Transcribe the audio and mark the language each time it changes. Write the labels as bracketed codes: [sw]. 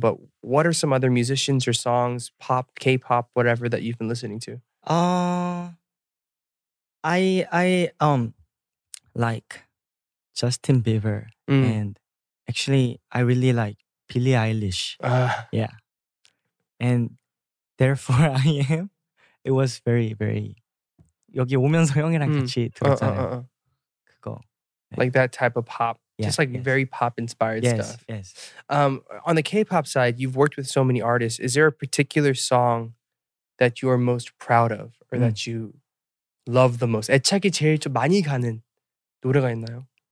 [en] But what are some other musicians or songs, pop, K-pop, whatever that you've been listening to? I like Justin Bieber and… Actually, I really like Billie Eilish. Yeah. And therefore I am. It was very, very… [ko] 여기 오면서 형이랑 같이 들었잖아요. 그거. [en] Like that type of pop. Yeah, just like yes. very pop-inspired yes, stuff. Yes, yes. On the K-pop side, you've worked with so many artists. Is there a particular song that you are most proud of? Or that you love the most? [ko] 애착이 제일 좀 많이 가는 노래가 있나요?